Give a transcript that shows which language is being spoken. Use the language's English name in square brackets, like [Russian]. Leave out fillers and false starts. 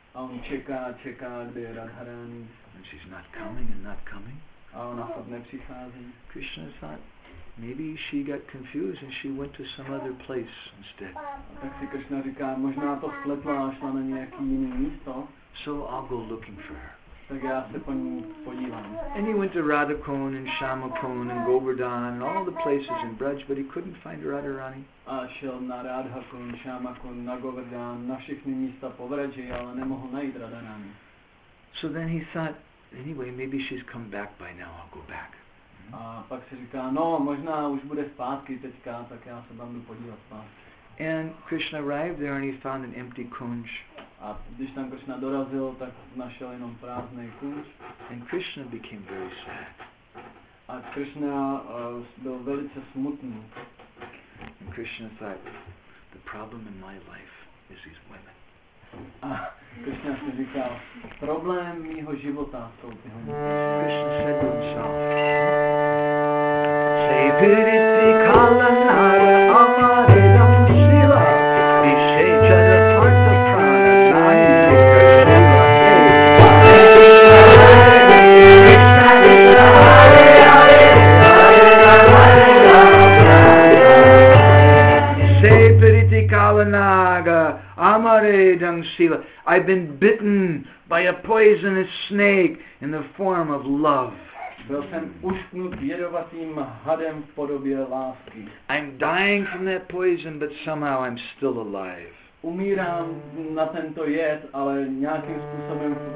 [Czech] A on čeká, čeká, kde je Radharani. [English] And she's not coming and not coming. [Czech] A ona fakt nepřichází. [English] Krishna thought, maybe she got confused and she went to some other place instead. [Czech] Tak si Krishna říká, možná to spletla a šla na nějaký jiný místo. [English] So I'll go looking for her. [Czech] Tak já se po ní podívám. [English] And he went to Radhakon and Shamakon and Govardhan and all the places in Braj, but he couldn't find Radharani. [Czech] A šel na Radhakon, Shamakon, na Govardhan, na všechny místa po Vraji, ale nemohl najít Radharani. [English] So then he thought, anyway, maybe she's come back by now, I'll go back. [Czech] A pak si říká, no, možná už bude zpátky teďka, tak já se tam jdu podívat zpátky. [English] And Krishna arrived there and he found an empty kunj. [Czech] A když tam Krishna dorazil, tak našel jenom prázdný kunj. [English] And Krishna became very sad. [Czech] A Krishna byl velice smutný. [English] And Krishna thought, the problem in my life is these women. [Czech] A Krishna si říkal, problém mýho života jsou ty [English] Krishna said to himself, Viriti kalanara amare damshila Vishaja da parta prana Se piriti kalanaga amare damshila I've been bitten by a poisonous snake in the form of love. [Czech] Byl jsem ušknut jedovatým hadem v podobě lásky. [English] I'm dying from that poison, but somehow I'm still alive. [Czech] Umírám na tento jed, ale nějakým způsobem